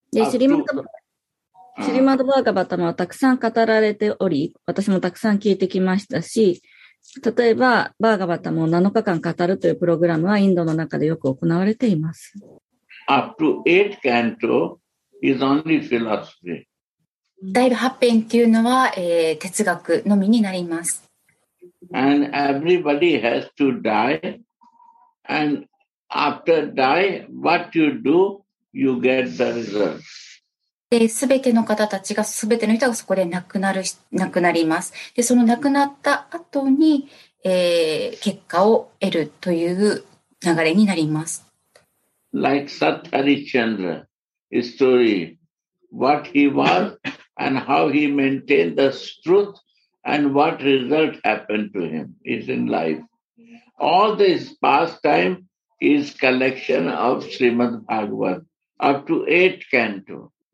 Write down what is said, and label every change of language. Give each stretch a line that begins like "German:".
Japanese: シリマドバーガバタマはたくさん語られており、私もたくさん聞いてきましたし、例えばバーガバタマを7日間語るというプログラムはインドの中でよく行われています。
English: Up to 8 canto is only philosophy.
Japanese: 第8編というのは、哲学のみになります。
English: And everybody has to die. And after die, what you do, you get the result.
Japanese: すべての方たちが、すべての人がそこで亡くなります。で、その亡くなった後に、結果を得るという流れになります。
English: Like Sat Harishchandra, his story, what he was, and how he maintained the truth, and what result happened to him is in life. All this pastime is collection of Srimad Bhagavat, up to 8th canto.